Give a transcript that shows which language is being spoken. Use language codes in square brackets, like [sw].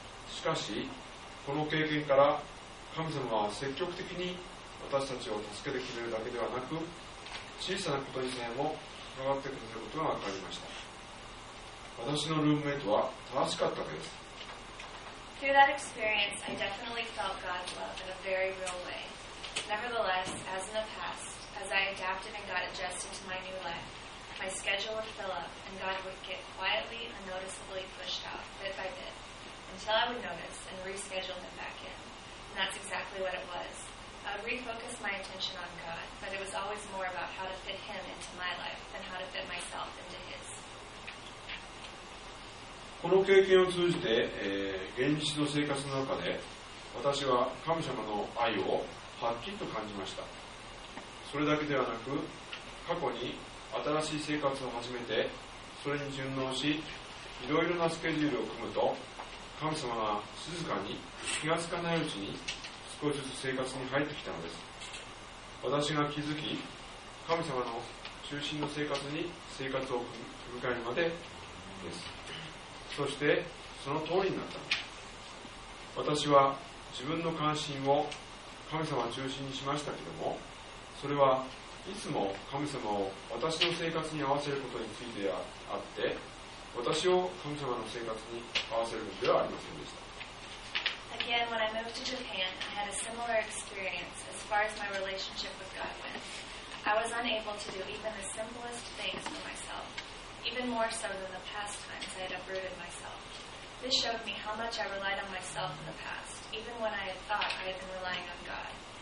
[ja] しかしこの経験から神様は積極的に私たちを助けてくれるだけではなく、小さなことにさえも関わってくれることが分かりました。私のルームメイトは正しかったわけです。 [en] Through that experience, I definitely felt God's love in a very real way. Nevertheless, as in the past, as I adapted and got adjusted to my new life, my schedule would fill up and God would get quietly and noticeably pushed out, bit by bit, until I would notice and reschedule him back in. And that's exactly what it was. I would refocus my attention on God, but it was always more about how to fit him into my life than how to fit myself into his. [ja] この経験を通じて、現実の生活の中で私は神様の愛をはっきりと感じました。それだけではなく、過去に新しい生活を始めてそれに順応し、いろいろなスケジュールを組むと、神様が静かに気がつかないうちに少しずつ生活に入ってきたのです。私が気づき、神様の中心の生活に生活を迎えるまでです。そしてその通りになったのです。私は自分の関心を神様中心にしましたけれども、それはいつも神様を私の生活に合わせることについてあって、私を神様の生活に合わせることではありませんでした。 [en] Again, when I moved to Japan, I had a similar experience as far as my relationship with God went. I was unable to do even the simplest things for myself, even more so than the past times I had uprooted myself. This showed me how much I relied on myself in the past, even when I had thought I had been relying on God.